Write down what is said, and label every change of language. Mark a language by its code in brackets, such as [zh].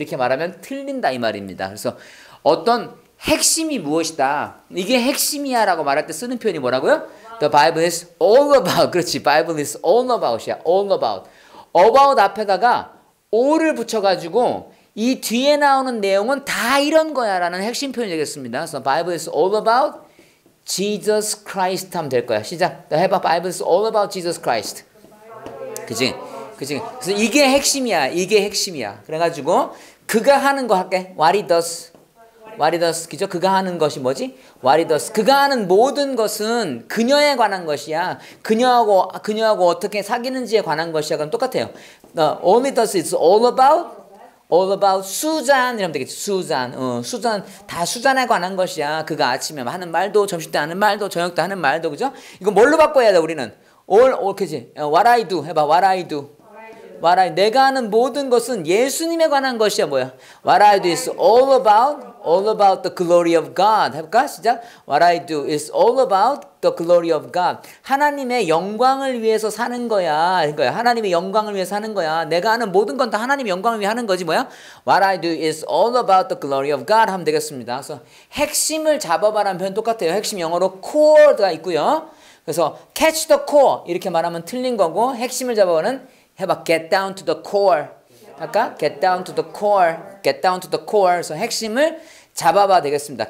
[ko] 이렇게 말하면 틀린다 이 말입니다. 그래서 어떤 핵심이 무엇이다? 이게 핵심이야 라고 말할 때 쓰는 표현이 뭐라고요? [en] The Bible is all about. 그렇지. Bible is all about이야. All about. [ko] About 앞에다가 all을 붙여가지고 이 뒤에 나오는 내용은 다 이런 거야 라는 핵심 표현이 되겠습니다. [en] So Bible is all about Jesus Christ 하면 될 거야. [ko] 시작. 너 해봐. [en] Bible is all about Jesus Christ. 그치? 그치? [ko] 그래서 이게 핵심이야. 이게 핵심이야. 그래가지고 그가 하는 거 할게. [en] What he does. What he does, 그죠? [ko] 그가 하는 것이 뭐지? [en] What he does. [ko] 그가 하는 모든 것은 그녀에 관한 것이야. 그녀하고 어떻게 사귀는지에 관한 것이야. [en] 그럼 똑같아요. All he does is all about Susan. [ko] 이러면 되겠지. [en] Susan. Susan. [ko] 다 Susan에 관한 것이야. 그가 아침에 하는 말도, 점심 때 하는 말도, 저녁 때 하는 말도, 그죠? 이거 뭘로 바꿔야 돼, 우리는? All, 그지? [en] What I do. [ko] 해봐. What I do. What I, 내가 하는 모든 것은 예수님에 관한 것이야. 뭐야? [en] What I do is all about the glory of God. [ko] 해볼까? 시작. [en] What I do is all about the glory of God. [ko] 하나님의 영광을 위해서 사는 거야. 그러니까 하나님의 영광을 위해서 사는 거야. 내가 하는 모든 건 다 하나님의 영광을 위해 하는 거지. 뭐야? [en] What I do is all about the glory of God. [ko] 하면 되겠습니다. 그래서 핵심을 잡아봐라는 표현 똑같아요. 핵심 영어로 core가 있고요. 그래서 [en] catch the core [ko] 이렇게 말하면 틀린 거고 핵심을 잡아보는 해봐. [en] Get down to the core. 할까? Get down to the core. Get down to the core. [ko] 그래서 핵심을 잡아봐야 되겠습니다.